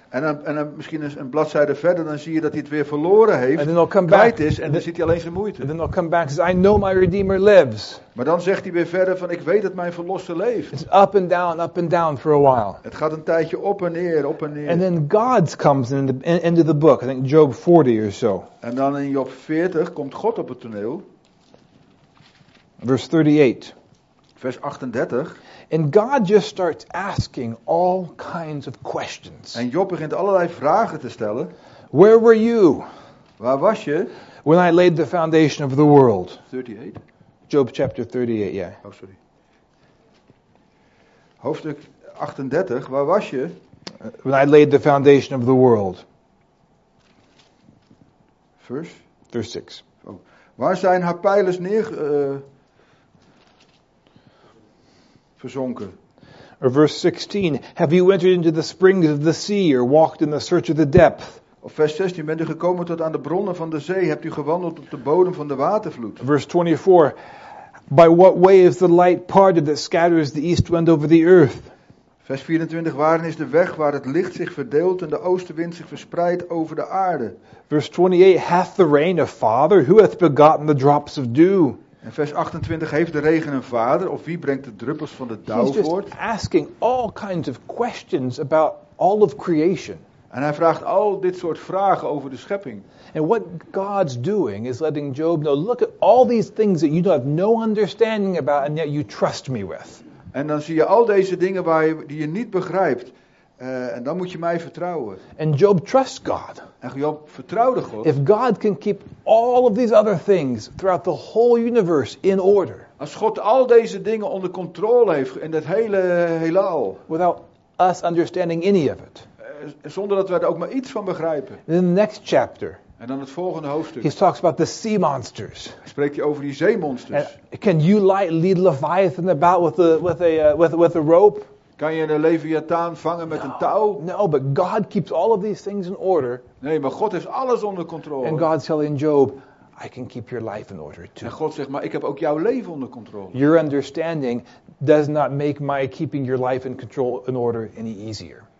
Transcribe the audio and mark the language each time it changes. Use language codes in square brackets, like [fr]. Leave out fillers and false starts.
[nl] En dan misschien een bladzijde verder, dan zie je dat hij het weer verloren heeft. [en] And then he'll come back. [nl] Is, en dan ziet hij alleen zijn moeite. [en] And then he'll come back and says, I know my Redeemer lives. [nl] Maar dan zegt hij weer verder van, ik weet dat mijn verlosser leeft. [en] It's up and down for a while. [nl] Het gaat een tijdje op en neer, op en neer. [en] And then God comes into the book. I think Job 40 or so. [nl] En dan in Job 40 komt God op het toneel. [en] Verse 38. [nl] Vers 38. [en] And God just starts asking all kinds of questions. [nl] En Job begint allerlei vragen te stellen. [en] Where were you? [nl] Waar was je? [en] When I laid the foundation of the world. 38. Job chapter 38, yeah. Oh, sorry. [nl] Hoofdstuk 38, waar was je? [en] When I laid the foundation of the world. Verse 6. Oh. [nl] Waar zijn haar pijlers verzonken. [en] Or verse 16. Have you entered into the springs of the sea or walked in the search of the depth? [nl] Of vers 16. Bent u gekomen tot aan de bronnen van de zee? Hebt u gewandeld op de bodem van de watervloed? [en] Verse 24. By what way is the light parted that scatters the east wind over the earth? [nl] Vers 24. Waarin is de weg waar het licht zich verdeelt en de oostenwind zich verspreidt over de aarde? [en] Verse 28. Hath the rain a father? Who hath begotten the drops of dew? [nl] En vers 28, heeft de regen een vader of wie brengt de druppels van de dauw voort? [en] He's just asking all kinds of questions about all of creation. [nl] En hij vraagt al dit soort vragen over de schepping. [en] And what God's doing is letting Job know, look at all these things that you have no understanding about and yet you trust me with. [nl] En dan zie je al deze dingen waar die je niet begrijpt. En dan moet je mij vertrouwen. [en] And Job trusts God. [nl] En Job vertrouwde God. [en] If God can keep all of these other things throughout the whole universe in order. [nl] Als God al deze dingen onder controle heeft in het hele heelal. [en] Without us understanding any of it. [nl] Zonder dat wij er ook maar iets van begrijpen. [en] In the next chapter. [nl] En dan het volgende hoofdstuk. [en] He talks about the sea monsters. [nl] Spreekt hij over die zeemonsters? [en] And can you lead Leviathan about with a rope? [nl] Kan je een Leviathan vangen met een touw? [en] No, but God keeps all of these things in order. [nl] Nee, maar God heeft alles onder controle. [en] And God's telling Job, I can keep your life in order too. [nl] En God zegt, maar ik heb ook jouw leven onder controle. [en] Your understanding does not make my keeping your life in control in order any easier.